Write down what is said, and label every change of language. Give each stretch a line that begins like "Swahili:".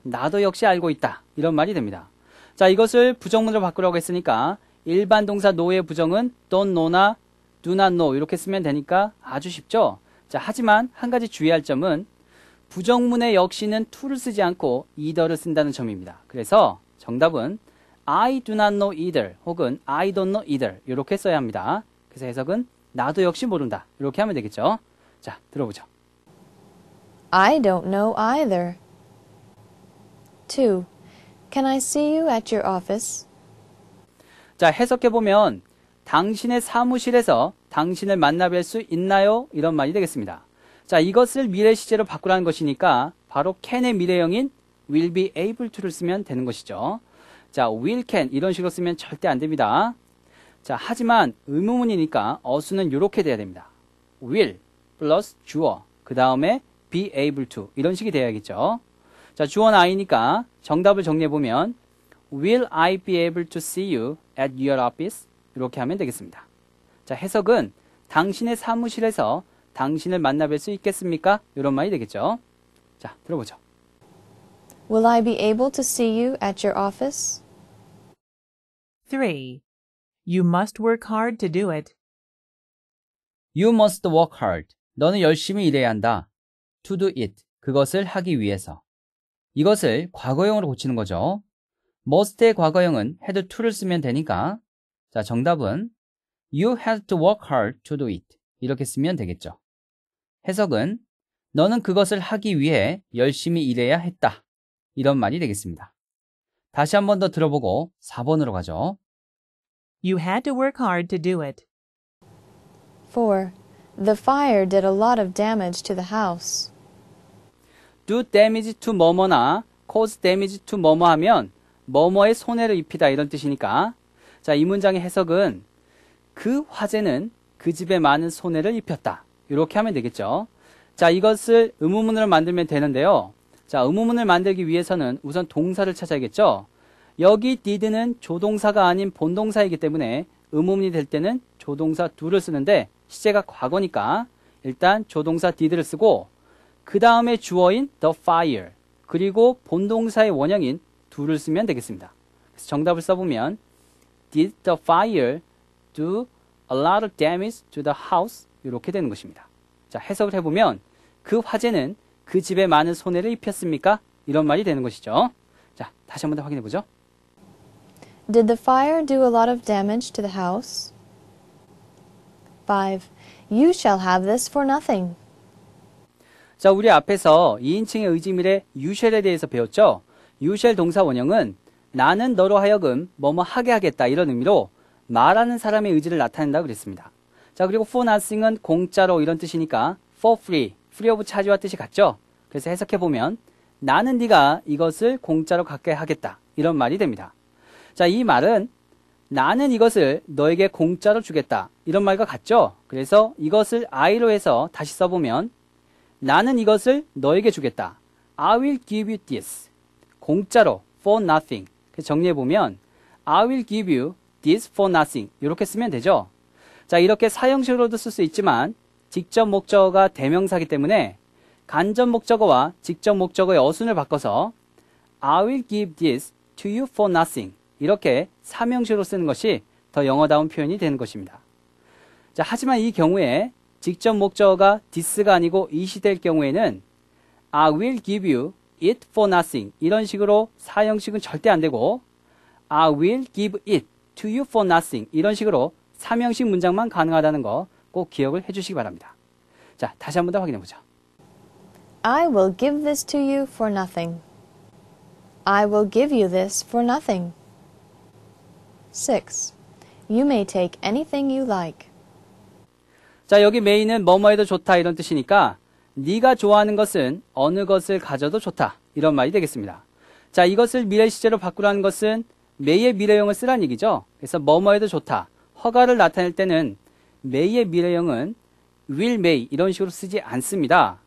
Korean: 나도 역시 알고 있다. 이런 말이 됩니다. 자, 이것을 부정문으로 바꾸려고 했으니까 일반 동사 know의 부정은 don't know나 do not know 이렇게 쓰면 되니까 아주 쉽죠? 자, 하지만 한 가지 주의할 점은 부정문의 역시는 to를 쓰지 않고 either를 쓴다는 점입니다. 그래서 정답은
English: I do not know either
Korean: 혹은
English: I don't know either
Korean: 이렇게 써야 합니다. 그래서 해석은 나도 역시 모른다 이렇게 하면 되겠죠? 자, 들어보죠.
English: I don't know either. 2. Can I see you at your office?
Korean: 자, 해석해보면 당신의 사무실에서 당신을 만나뵐 수 있나요? 이런 말이 되겠습니다. 자, 이것을 미래 시제로 바꾸라는 것이니까 바로 can의 미래형인 will be able to를 쓰면 되는 것이죠. 자, will, can 이런 식으로 쓰면 절대 안 됩니다. 자, 하지만 의문문이니까 어수는 이렇게 돼야 됩니다. will plus 주어, 그 다음에 be able to 이런 식이 돼야겠죠. 자, 주어는 I니까 정답을 정리해보면
English: Will I be able to see you at your office?
Korean: 이렇게 하면 되겠습니다. 자, 해석은 당신의 사무실에서 당신을 만나뵐 수 있겠습니까? 이런 말이 되겠죠. 자, 들어보죠.
English: Will I be able to see you at your office? 3. You must work hard to do it. You must work hard.
Korean: 너는 열심히 일해야 한다.
English: To do it.
Korean: 그것을 하기 위해서. 이것을 과거형으로 고치는 거죠. must의 과거형은 had to를 쓰면 되니까 자 정답은
English: you had to work hard to do it
Korean: 이렇게 쓰면 되겠죠. 해석은 너는 그것을 하기 위해 열심히 일해야 했다 이런 말이 되겠습니다. 다시 한 번 더 들어보고 4번으로 가죠.
English: You had to work hard to do it. 4. The fire did a lot of damage to the house.
Korean: Do damage to 뭐뭐나 cause damage to 뭐뭐 하면 뭐뭐에 손해를 입히다 이런 뜻이니까 자, 이 문장의 해석은 그 화재는 그 집에 많은 손해를 입혔다 이렇게 하면 되겠죠. 자, 이것을 의문문으로 만들면 되는데요. 자, 의문문을 만들기 위해서는 우선 동사를 찾아야겠죠. 여기 did는 조동사가 아닌 본동사이기 때문에 의문문이 될 때는 조동사 do를 쓰는데 시제가 과거니까 일단 조동사 did를 쓰고 그 다음에 주어인 the fire 그리고 본동사의 원형인 do를 쓰면 되겠습니다. 그래서 정답을 써보면
English: Did the fire do a lot of damage to the house?
Korean: 이렇게 되는 것입니다. 자, 해석을 해보면 그 화재는 그 집에 많은 손해를 입혔습니까? 이런 말이 되는 것이죠. 자, 다시 한 번 더 확인해 보죠.
English: Did the fire do a lot of damage to the house? 5. You shall have this for nothing.
Korean: 자, 우리 앞에서 2인칭의 의지미래 you shall에 대해서 배웠죠. You shall 동사 원형은 나는 너로 하여금 뭐뭐 하게 하겠다 이런 의미로 말하는 사람의 의지를 나타낸다고 그랬습니다. 자, 그리고 for nothing은 공짜로 이런 뜻이니까 for free, free of charge와 뜻이 같죠? 그래서 해석해보면 나는 네가 이것을 공짜로 갖게 하겠다 이런 말이 됩니다. 자, 이 말은 나는 이것을 너에게 공짜로 주겠다 이런 말과 같죠? 그래서 이것을 I로 해서 다시 써보면 나는 이것을 너에게 주겠다.
English: I will give you this.
Korean: 공짜로,
English: for nothing.
Korean: 그래서 정리해보면,
English: I will give you this for nothing.
Korean: 이렇게 쓰면 되죠. 자, 이렇게 사형식으로도 쓸 수 있지만, 직접 목적어가 대명사이기 때문에, 간접 목적어와 직접 목적어의 어순을 바꿔서,
English: I will give this to you for nothing.
Korean: 이렇게 삼형식으로 쓰는 것이 더 영어다운 표현이 되는 것입니다. 자, 하지만 이 경우에, 직접 목적어가 this가 아니고 it이 될 경우에는,
English: I will give you it for nothing
Korean: 이런 식으로 사형식은 절대 안 되고
English: I will give it to you for nothing
Korean: 이런 식으로 삼형식 문장만 가능하다는 거 꼭 기억을 해주시기 바랍니다. 자, 다시 한 번 더 확인해 보죠.
English: I will give this to you for nothing. I will give you this for nothing. 6. You may take anything you like.
Korean: 자, 여기 may는 뭐뭐해도 좋다 이런 뜻이니까 네가 좋아하는 것은 어느 것을 가져도 좋다 이런 말이 되겠습니다. 자, 이것을 미래 시제로 바꾸라는 것은 may의 미래형을 쓰라는 얘기죠. 그래서 뭐뭐해도 좋다, 허가를 나타낼 때는 may의 미래형은 will may 이런 식으로 쓰지 않습니다.